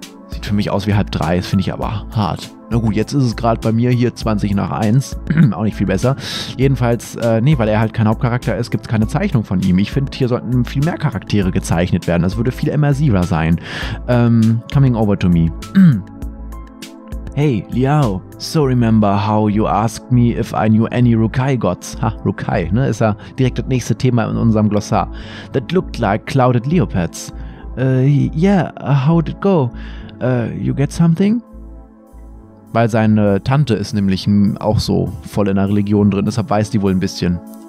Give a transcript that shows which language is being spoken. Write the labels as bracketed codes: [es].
[de] Sieht für mich aus wie 2:30, das finde ich aber hart. Na gut, jetzt ist es gerade bei mir hier 1:20, auch nicht viel besser. Jedenfalls, nee, weil er halt kein Hauptcharakter ist, gibt es keine Zeichnung von ihm. Ich finde, hier sollten viel mehr Charaktere gezeichnet werden, das würde viel immersiver sein. [en] Coming over to me. Hey, Liao, so remember how you asked me if I knew any Rukai gods? [de] Ha, Rukai, ne, ist ja direkt das nächste Thema in unserem Glossar. [en] That looked like clouded leopards. Yeah, how did it go? You get something? [de] Weil seine Tante ist nämlich auch so voll in der Religion drin, deshalb weiß die wohl ein bisschen.